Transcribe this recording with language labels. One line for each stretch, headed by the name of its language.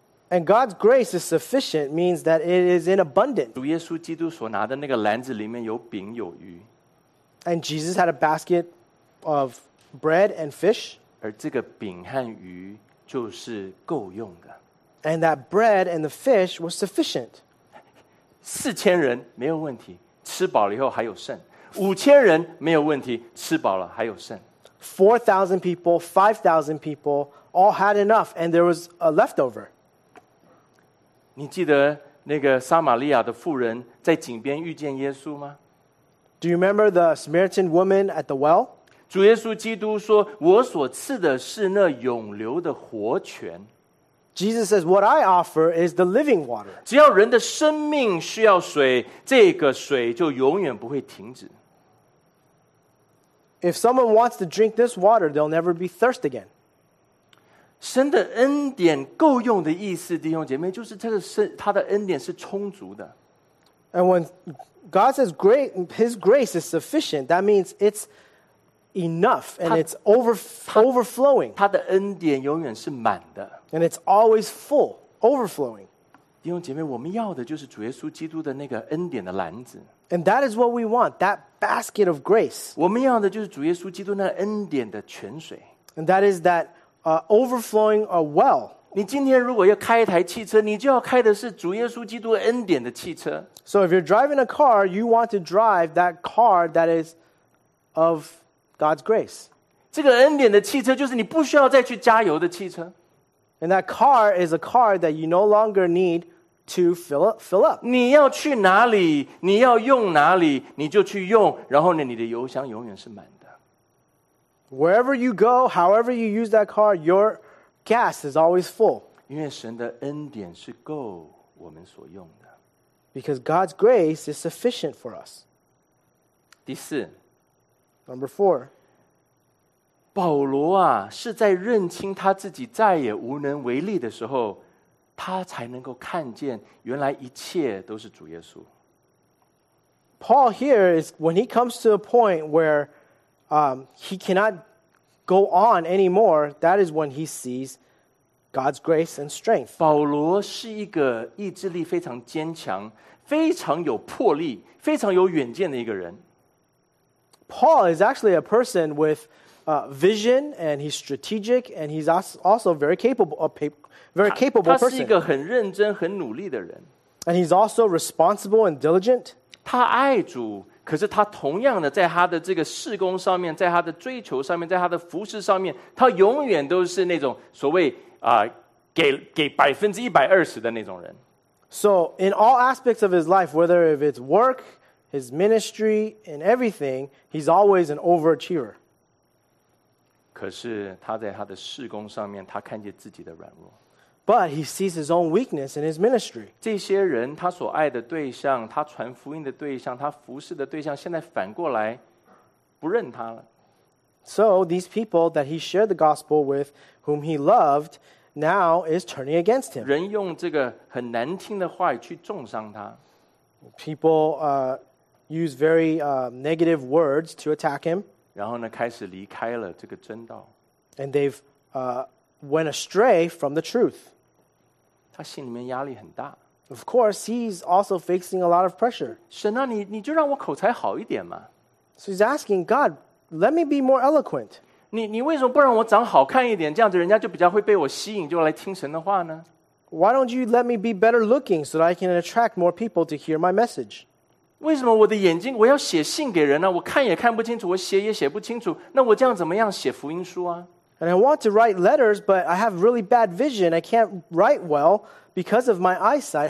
English: And God's grace is sufficient means that it is in abundance.
Chinese: 主耶稣基督所拿的那个篮子里面有饼有鱼。
English: And Jesus had a basket of bread and fish.
Chinese: 而这个饼和鱼就是够用的。
English: And that bread and the fish was sufficient.
Chinese: 4,000 人没有问题，吃饱了以后还有剩。5,000人没有问题，吃饱了还有剩。
English: 4,000 people, 5,000 people all had enough, and there was a leftover.
Chinese: 你记得那个撒玛利亚的妇人在井边遇见耶稣吗？
English: Do you remember the Samaritan woman at the well?
Chinese: 主耶稣基督说，我所赐的是那永流的活泉。
English: Jesus says, what I offer is the living water.
Chinese: 只要人的生命需要水，这个水就永远不会停止。
English: If someone wants to drink this water, they'll never be thirst again.
Chinese: 神的恩典够用的意思，弟兄姐妹，就是他的恩典是充足的。
English: And when God says great, his grace is sufficient, that means it's enough and it's overflowing.
Chinese: 他的恩典永远是满的。
English: And it's always full, overflowing.
Chinese: 弟兄姐妹，我们要的就是主耶稣基督的那个恩典的篮子。
English: And that is what we want, that basket of grace.
Chinese: 我们要的就是主耶稣基督那恩典的泉水。
English: And that is that overflowing well.
Chinese: 你今天如果要开一台汽车，你就要开的是主耶稣基督恩典的汽车。
English: So if you're driving a car, you want to drive that car that is of God's grace.
Chinese: 这个恩典的汽车就是你不需要再去加油的汽车。
English: And that car is a car that you no longer need to fill up.
Chinese: 你要去哪里，你要用哪里，你就去用，然后呢，你的油箱永远是满的。
English: Wherever you go, however you use that car, your gas is always full.
Chinese: 因为神的恩典是够我们所用的。
English: Because God's grace is sufficient for us.
Chinese: 第四。
English: Number four.
Chinese: 保罗啊，是在认清他自己再也无能为力的时候，他才能够看见原来一切都是主耶稣。
English: Paul here is when he comes to a point where he cannot go on anymore, that is when he sees God's grace and strength.
Chinese: 保罗是一个意志力非常坚强，非常有魄力，非常有远见的一个人。
English: Paul is actually a person withvision, and he's strategic, and he's also very capable person.
Chinese: 他是一个很认真、很努力的人。
English: And he's also responsible and diligent.
Chinese: 他爱主，可是他同样的在他的这个事工上面，在他的追求上面，在他的服事上面，他永远都是那种所谓给120%的那种人。
English: So in all aspects of his life, whether if it's work, his ministry, and everything, he's always an overachiever.
Chinese: 可是他在他的事工上面，他看见自己的软弱。
English: But he sees his own weakness in his ministry.
Chinese: 这些人，他所爱的对象，他传福音的对象，他服侍的对象，现在反过来不认他了。
English: So these people that he shared the gospel with, whom he loved, now is turning against him.
Chinese: 人用这个很难听的话语去重伤他。
English: People use very negative words to attack him.
Chinese: 然后呢，开始离开了这个真道。
English: And they've went astray from the truth.
Chinese: 他心里面压力很大。
English: Of course, he's also facing a lot of pressure.
Chinese: 神啊，你就让我口才好一点嘛。
English: So he's asking God, let me be more eloquent.
Chinese: 你为什么不让我长好看一点？这样子人家就比较会被我吸引，就来听神的话呢？
English: Why don't you let me be better looking so that I can attract more people to hear my message?
Chinese: 为什么我的眼睛我要写信给人呢？我看也看不清楚，我写也写不清楚，那我这样怎么样写福音书啊？
English: And I want to write letters, but I have really bad vision. I can't write well because of my eyesight.